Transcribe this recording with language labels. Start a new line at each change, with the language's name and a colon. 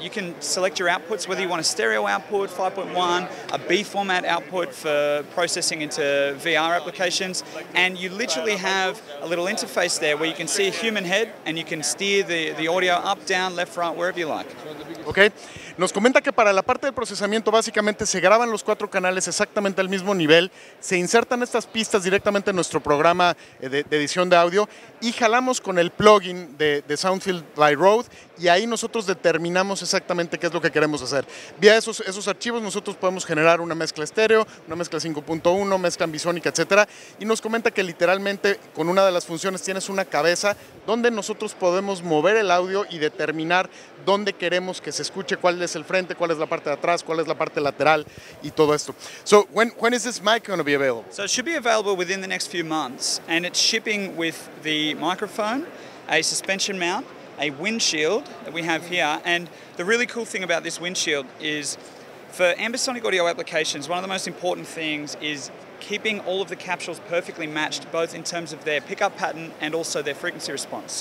English: You can select your outputs, whether you want a stereo output, 5.1, a B-format output for processing into VR applications. And you literally have a little interface there where you can see a human head and you can steer the audio up, down, left, right, wherever. Okay.
Spanish: Nos comenta que para la parte de procesamiento básicamente se graban los cuatro canales exactamente al mismo nivel, se insertan estas pistas directamente en nuestro programa de edición de audio y jalamos con el plugin de Soundfield by Rode y ahí nosotros determinamos exactamente qué es lo que queremos hacer. Vía esos archivos nosotros podemos generar una mezcla estéreo, una mezcla 5.1, mezcla ambisónica, etcétera. Y nos comenta que literalmente con una de las funciones tienes una cabeza donde nosotros podemos mover el audio y determinar dónde queremos que se escuche, cuál es el frente, cuál es la parte de atrás, cuál es la parte lateral y todo esto.
English: So, when is this mic going to be available? So, it should be available within the next few months, and it's shipping with the microphone, a suspension mount, a windshield that we have here, and the really cool thing about this windshield is for ambisonic audio applications, one of the most important things is keeping all of the capsules perfectly matched, both in terms of their pickup pattern and also their frequency response.